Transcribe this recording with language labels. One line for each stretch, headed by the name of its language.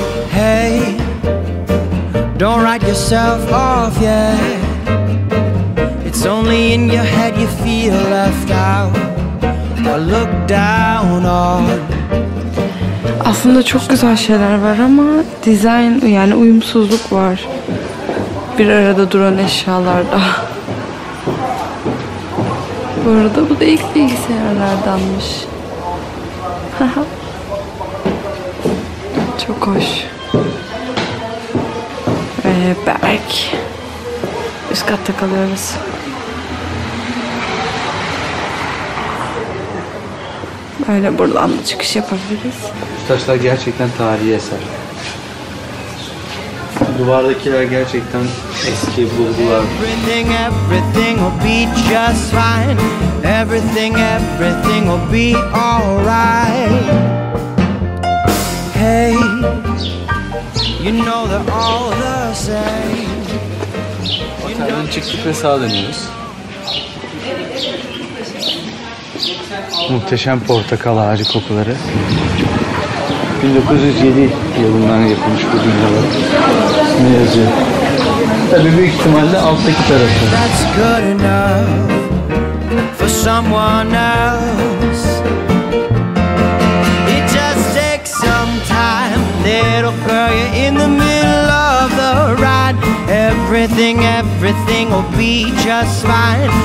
English: Hey, don't write yourself off yet. It's only in your head you feel left out or looked down on.
Turkish: Aslında çok güzel şeyler var ama design, yani uyumsuzluk var. Bir arada duran eşyalarda. Bu arada bu da ilk bilgisayarlardanmış. Çok hoş. Berk. Üst katta kalıyoruz. Böyle buradan da çıkış yapabiliriz. Bu taşlar gerçekten tarihi eser. Duvardakiler gerçekten eski bulgular.
English: Everything, everything will be just fine. Everything, everything will be alright. Hey, you know they're all the same.
Turkish: Otelden çıktık ve sağa dönüyoruz. Muhteşem portakal ağacı kokuları. 1907 yılından yapılmış bu binalar. Ne yazıyor? Tabii büyük ihtimalle alttaki tarafı.
English: That's good enough for someone else. It just takes some time. It'll throw you in the middle of the ride. Everything, everything will be just fine.